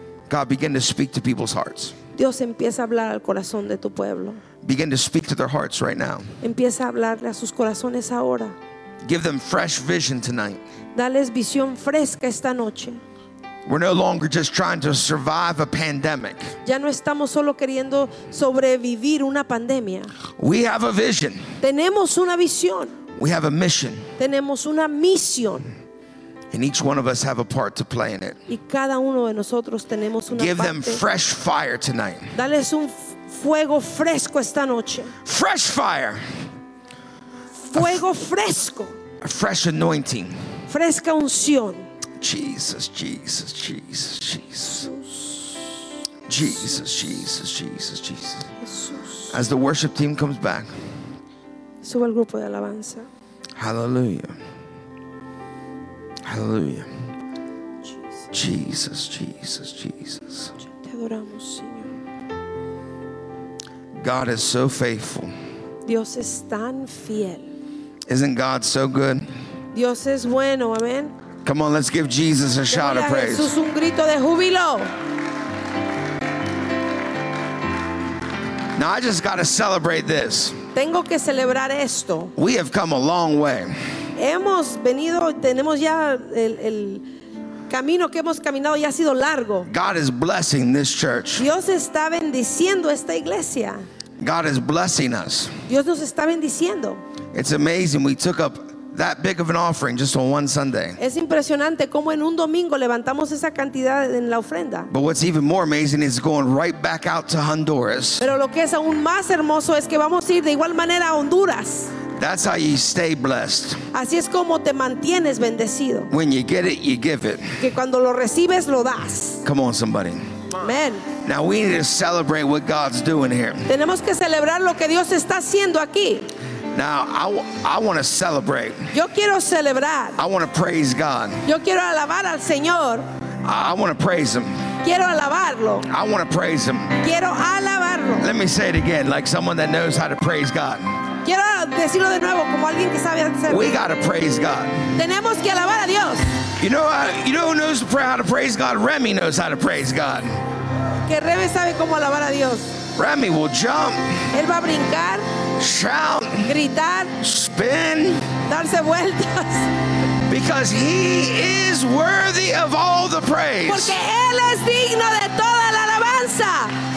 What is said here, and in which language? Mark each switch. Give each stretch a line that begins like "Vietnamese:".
English: God begin to speak to people's hearts.
Spanish: Dios empieza a hablar al corazón de tu pueblo.
English: Begin to speak to their hearts right now.
Spanish: Empieza a hablarle a sus corazones ahora.
English: Give them fresh vision tonight.
Spanish: Dales visión fresca esta noche.
English: We're no longer just trying to survive a pandemic.
Spanish: Ya no estamos solo queriendo sobrevivir una pandemia.
English: We have a vision.
Spanish: Tenemos una visión.
English: We have a mission.
Spanish: Tenemos una misión.
English: And each one of us have a part to play in it.
Spanish: Y cada uno de nosotros tenemos una
English: Give
Spanish: parte.
English: Them fresh fire tonight.
Spanish: Dales un fuego fresco esta noche.
English: Fresh fire.
Spanish: Fuego fresco.
English: A fresh anointing.
Spanish: Fresca unción.
English: Jesus, Jesus, Jesus, Jesus.
Spanish: Jesus, Jesus, Jesus, Jesus.
English: As the worship team comes back.
Spanish: Sube el grupo de alabanza.
English: Hallelujah. Hallelujah. Jesus, Jesus, Jesus.
Spanish: Te adoramos, Señor.
English: God is so faithful.
Spanish: Dios es tan fiel.
English: Isn't God so good?
Spanish: Dios es bueno, amen.
English: Come on, let's give Jesus a shout of praise.
Spanish: Jesús un grito de júbilo.
English: Now I just got to celebrate this.
Spanish: Tengo que celebrar esto.
English: We have come a long way.
Spanish: Hemos venido, tenemos ya el camino que hemos caminado ya ha sido largo.
English: God is blessing this church.
Spanish: Dios está bendiciendo esta iglesia.
English: God is blessing us.
Spanish: Dios nos está bendiciendo.
English: It's amazing we took up that big of an offering just on one Sunday.
Spanish: Es impresionante cómo en un domingo levantamos esa cantidad en la ofrenda.
English: But what's even more amazing is going right back out to Honduras.
Spanish: Pero lo que es aún más hermoso es que vamos a ir de igual manera a Honduras.
English: That's how you stay blessed.
Spanish: Así es como te mantienes bendecido.
English: When you get it, you give it.
Spanish: Que cuando lo recibes, lo das.
English: Come on, somebody. Amen. Now we need to celebrate what God's doing here.
Spanish: Tenemos que celebrar lo que Dios está haciendo aquí.
English: Now I want to celebrate.
Spanish: Yo quiero celebrar.
English: I want to praise God.
Spanish: Yo quiero alabar al Señor.
English: I want to praise Him.
Spanish: Quiero alabarlo.
English: I want to praise Him.
Spanish: Quiero alabarlo.
English: Let me say it again, like someone that knows how to praise God.
Spanish: Quiero decirlo de nuevo como alguien que sabe hacerlo.
English: We gotta praise God.
Spanish: Tenemos que alabar a Dios.
English: You know who knows how to praise God? Remy knows how to praise God.
Spanish: Que Remy sabe cómo alabar a Dios.
English: Remy will jump.
Spanish: Él va a brincar.
English: Shout.
Spanish: Gritar.
English: Spin.
Spanish: Darse vueltas.
English: Because he is worthy of all the praise.
Spanish: Porque él es digno de toda la alabanza.